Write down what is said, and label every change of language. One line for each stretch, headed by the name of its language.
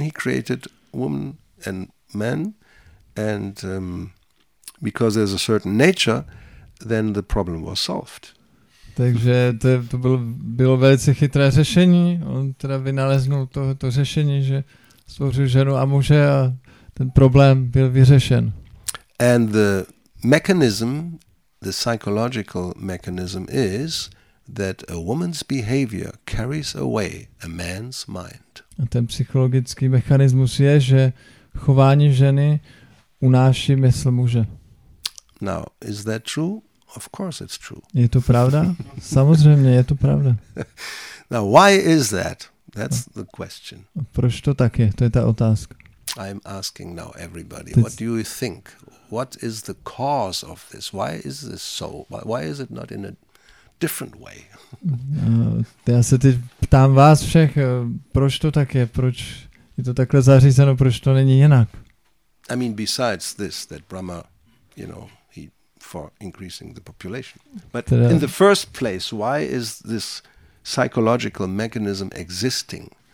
English: He created women and men and because there's a certain nature, then the problem was solved.
Czech: Takže to bylo velice chytré řešení. On teda vynaleznul to řešení, že stvořil ženu a muže a ten problém byl vyřešen.
English: And the mechanism, the psychological mechanism is that a woman's behavior carries away a man's mind.
Czech: A ten psychologický mechanismus je, že chování ženy unáší mysl muže.
English: Now, is that true? Of course it's true.
Czech: Je to pravda? Samozřejmě, je to pravda.
English: Now, why is that? That's the question.
Czech: Proč to tak je? To je ta otázka.
English: I'm asking now everybody, what do you think? What is the cause of this? Why is this so? Why is it not in a different way?
Czech: Já se teď ptám vás všech, proč to tak je? Proč je to takhle zařízeno? Proč to není jinak?
English: I mean, besides this, that Brahma, you know, for increasing the population. But in the first place, why is this psychological mechanism existing?